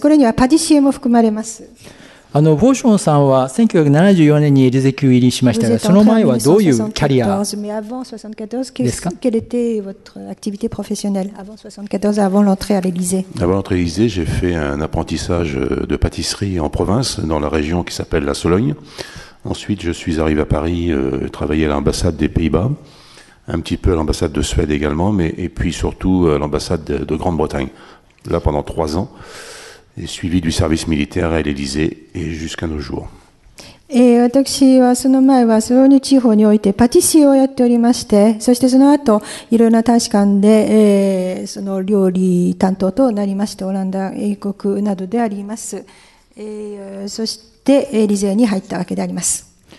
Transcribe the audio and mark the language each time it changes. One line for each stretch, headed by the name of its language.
Japanese: これにはパティシエも含まれます。あのボーションさんは1974年にエリゼ級入りしましたが、その前はどういうキャリアですか？
French: Quelle était votre activité professionnelle avant 74, avant l'entrée à l'Élysée? Avant l'entrée à l'Élysée, j'ai fait un apprentissage de pâtisserie en province, dans la région qui s'appelle la Sologne. Ensuite, je suis arrivé à Paris, travailler à l'ambassade des Pays-Bas, un petit peu à l'ambassade de Suède également, mais, et puis surtout à l'ambassade de Grande-Bretagne. Là, pendant 3 ans, et suivi du service militaire à l'Élysée et jusqu'à nos jours. Et
Japanese: 私はその前はソロニ地方においてパティシエをやっておりまして、そしてその後いろんな大使館で、その料理担当となりまして、オランダ、英国などであります。そしてでエリゼに入ったわけであります。